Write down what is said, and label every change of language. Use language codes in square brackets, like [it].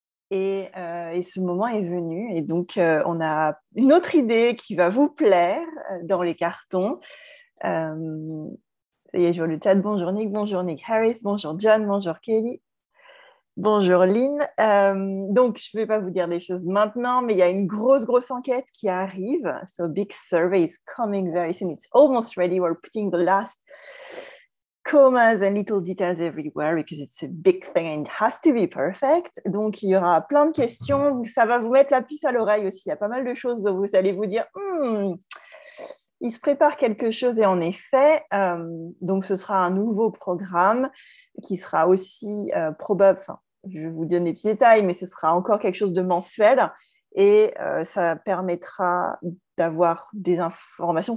[fr] Et ce moment est venu. Et donc, on a une autre idée qui va vous plaire dans les cartons. Et sur le chat, bonjour Nick Harris, bonjour John, bonjour Kelly, bonjour Lynn. Donc, je ne vais pas vous dire des choses maintenant, mais il y a une grosse, grosse enquête qui arrive. [en] So, big survey is coming very soon. It's almost ready. We're putting the last commas and little details everywhere because it's a big thing and it has to be perfect. [fr] Donc, il y aura plein de questions. Ça va vous mettre la puce à l'oreille aussi. Il y a pas mal de choses où vous allez vous dire, il se prépare quelque chose et en effet, donc ce sera un nouveau programme qui sera aussi probable. Enfin, je vous donne des petits détails, mais ce sera encore quelque chose de mensuel et ça permettra d'avoir des informations.